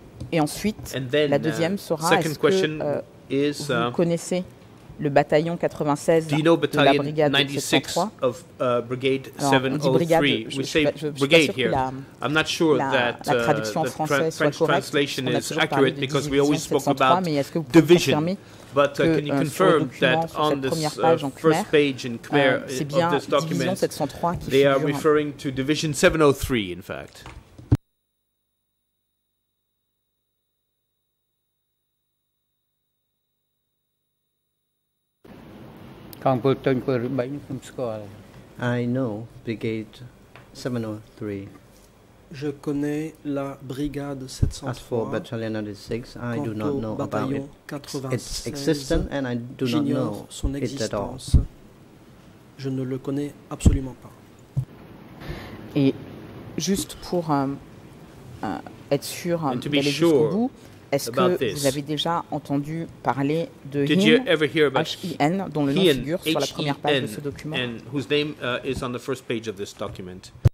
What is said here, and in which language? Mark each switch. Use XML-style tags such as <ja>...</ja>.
<fr>Et ensuite, la deuxième sera, est-ce que vous connaissez le bataillon 96 de la brigade 703.</fr> <en>Of, brigade 703.</en> <fr>Alors, on dit brigade, je ne suis pas sûr que la traduction en français soit correcte, parce qu'on a toujours parlé de division 703, mais est-ce que vous pouvez confirmer</fr> <en>But can you confirm that on this first page in Khmer of this document, they are referring to division 703, in fact? I know Brigade 703.</en> <fr>Je connais la Brigade 703.</fr> <en>As for Battalion 96, I do not know about it. 96, its existence, and I do not know</en> <fr>son</fr> <en>it at all.</en> <fr>Je ne le connais absolument pas. Et juste pour être sûr d'aller jusqu'au bout, est-ce que vous avez déjà entendu parler de H-I-N, dont le nom figure sur la première page de ce document?</fr> <en>And whose name is on the first page of this document?</en>